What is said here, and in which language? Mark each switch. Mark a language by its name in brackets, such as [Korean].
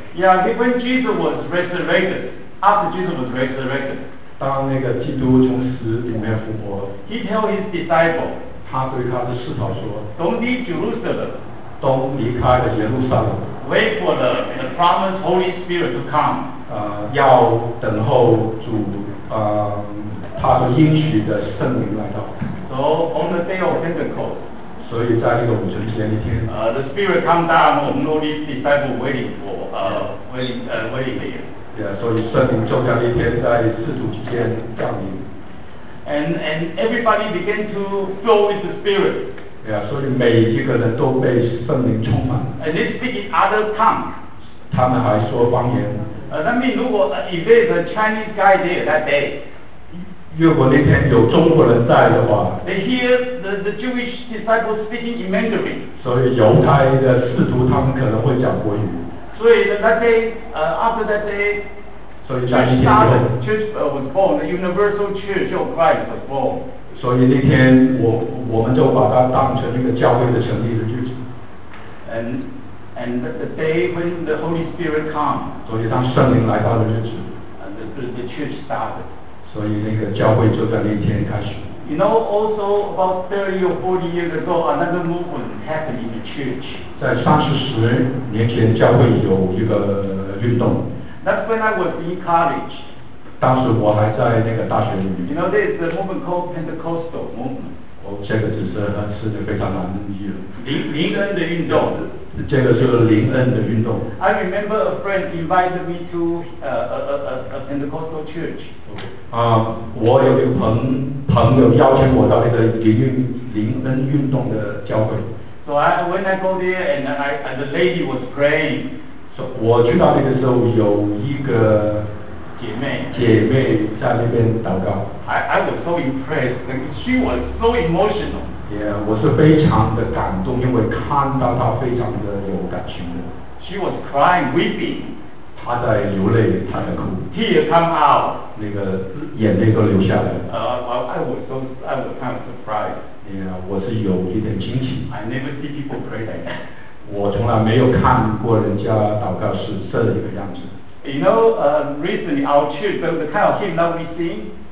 [English] Yeah, when Jesus was resurrected, after Jesus was resurrected. [Chinese] 当那个基督从死里面复活 [English] ，He tell his disciple， [Chinese] 他对他的使徒说 [English] ，Don't leave Jerusalem， [Chinese] 都离开了耶路撒冷 [English] ，Wait for the promised Holy Spirit to come， [Chinese] 要等候主，他所应许的圣灵来到。 [English] So on the day of Pentecost， [Chinese] 所以在这个五旬节那天 [English] ，The Spirit come down on all these disciples waiting for， waiting there。 [Chinese] Yeah, 所以圣灵降下的一天在四主之间降临。 [English] And everybody began to fill with the Spirit. [Chinese] Yeah, 所以每一个人都被圣灵充满。 [English] And they speak in other tongues. [Chinese] 他们还说方言。那么如果 [English] if there's a Chinese guy there that day, [Chinese] 如果那天有中国人在的话 [English] they hear the Jewish disciples speaking in Mandarin. [Chinese] 所以犹太的士徒他们可能会讲国语。 [English] 所以 that day, after that day, church was born, the universal church of Christ was born. [Chinese] 所以那天我们就把它当成一个教会的成立的日子。 [English] And the day when the Holy Spirit came. [Chinese] 所以当圣灵来到的日子。 [English] And the church started. [Chinese] 所以那个教会就在那天开始。 [English] You know, also about 30 or 40 years ago, another movement happened in the church. [Chinese] 在三十年前，教会有一个运动。 [English] That's when I was in college. [Chinese] 当时我还在那个大学里面。 [English] You know, there's a movement called Pentecostal movement. [Chinese] 这个只是非常难记的。灵恩的运动。这个是灵恩的运动。 [English] I remember a friend invited me to a Pentecostal church. [Chinese] 我有一个朋友邀请我到一个灵恩运动的教会。 [English] So when I go there and the lady was praying. [Chinese] 我去到那个时候，有一个姐妹在那边祷告。 [English] I was so impressed. She was so emotional. [Chinese] 我是非常的感动，因为看到她非常的有感情的。 [English] She was crying, weeping. [Chinese] 她在流泪，她在哭。 [English] Tears come out. [Chinese] 那个眼泪都流下来。 [English] I was kind of surprised. [Chinese] Yeah, 我是有一点惊奇。 [English] I never see people pray like that. [Chinese] 我从来没有看过人家祷告是这一个样子。 [English] You know, recently our church, the kind of hymn that we sing.